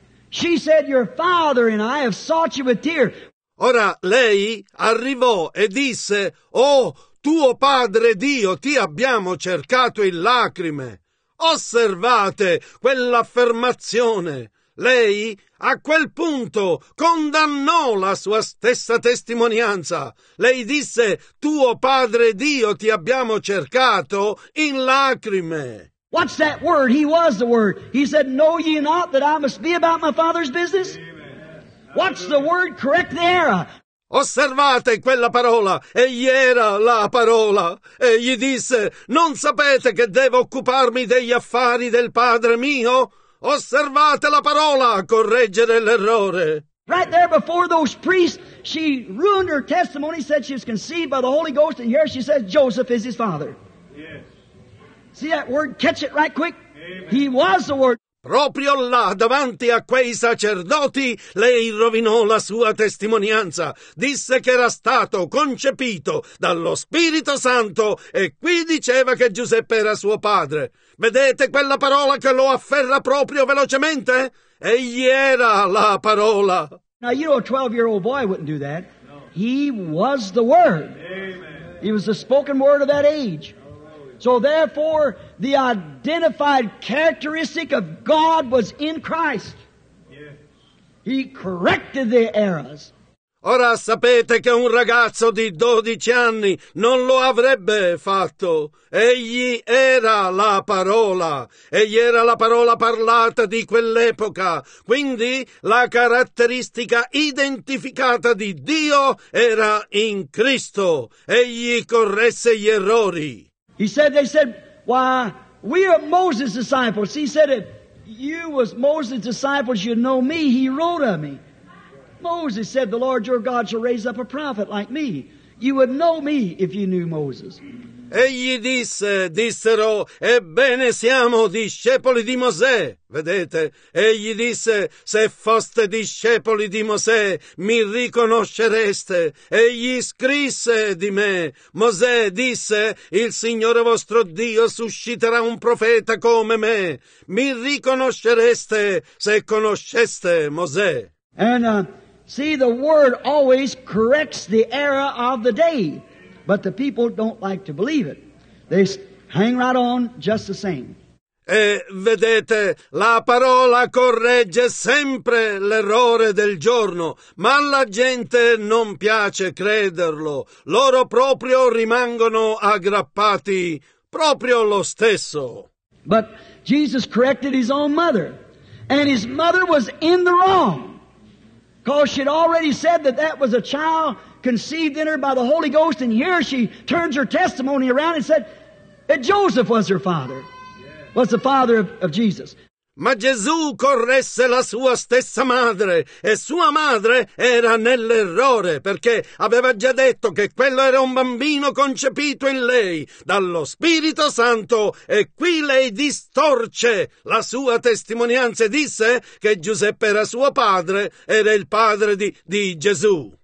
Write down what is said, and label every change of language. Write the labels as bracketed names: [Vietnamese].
[English] She said, Your father and I have sought you with tears. [Italian] Ora lei arrivò e disse, Oh, tuo padre Dio, ti abbiamo cercato in lacrime. Osservate quell'affermazione. Lei, a quel punto, condannò la sua stessa testimonianza. Lei disse, Tuo Padre Dio ti abbiamo cercato in lacrime. [English] What's that word? He was the Word. He said, Know ye not that I must be about my Father's business? What's the word? Correct the error. [Italian] Osservate quella parola. Egli era la parola. Egli disse, Non sapete che devo occuparmi degli affari del Padre mio? Osservate la parola a correggere l'errore. [English] Right there before those priests, she ruined her testimony, said she was conceived by the Holy Ghost, and here she says Joseph is his father. Yes. See that word? Catch it right quick. Amen. He was the Word. [Italian] Proprio là, davanti a quei sacerdoti, lei rovinò la sua testimonianza. Disse che era stato concepito dallo Spirito Santo e qui diceva che Giuseppe era suo padre. Vedete quella parola che lo afferra proprio velocemente? Egli era la parola. [English] Now you know a 12-year-old boy wouldn't do that. He was the Word. Amen. He was the spoken Word of that age. So therefore, the identified characteristic of God was in Christ. Yes. He corrected the errors. [Italian] Ora sapete che un ragazzo di 12 anni non lo avrebbe fatto. Egli era la parola. Egli era la parola parlata di quell'epoca. Quindi la caratteristica identificata di Dio era in Cristo. Egli corresse gli errori. [English] He said, they said, why, we are Moses' disciples. He said, if you was Moses' disciples, you'd know me. He wrote of me. Moses said, the Lord your God shall raise up a prophet like me. You would know me if you knew Moses. [Italian] Egli disse, dissero, ebbene siamo discepoli di Mosè. Vedete, egli disse, se foste discepoli di Mosè, mi riconoscereste. Egli scrisse di me. Mosè disse, il Signore vostro Dio susciterà un profeta come me. Mi riconoscereste se conosceste Mosè. [English] And see, the word always corrects the error of the day. But the people don't like to believe it. They hang right on just the same. [Italian] E vedete, la parola corregge sempre l'errore del giorno, ma la gente non piace crederlo. Loro proprio rimangono aggrappati, proprio lo stesso. [English] But Jesus corrected his own mother, and his mother was in the wrong, because she had already said that that was a child conceived in her by the Holy Ghost, and here she turns her testimony around and said that Joseph was her father, was the father of Jesus. [Italian] Ma Gesù corresse la sua stessa madre, e sua madre era nell'errore, perché aveva già detto che quello era un bambino concepito in lei dallo Spirito Santo, e qui lei distorce la sua testimonianza e disse che Giuseppe era suo padre, era il padre di Gesù.